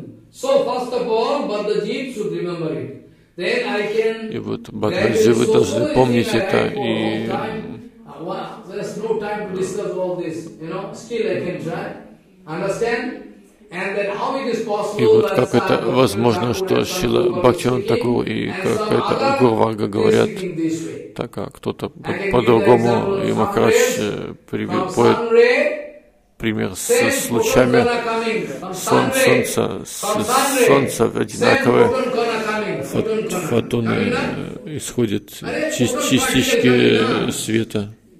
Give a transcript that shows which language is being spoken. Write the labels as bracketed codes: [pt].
[en] So first of all, Bhadrajit should remember it. Then I can. [ru] И вот Бхадраджи, вы должны помнить это. И [en] there's no time to discuss all this. You know, still I can try. Understand? And then how it is possible? [ru] И вот как это возможно, что Шрила Бхактивинода Тхакур и как это Гурварга говорят, так а кто-то по-другому, и Махарадж приводит пример с лучами солнца одинаковые фотоны исходят, частички света.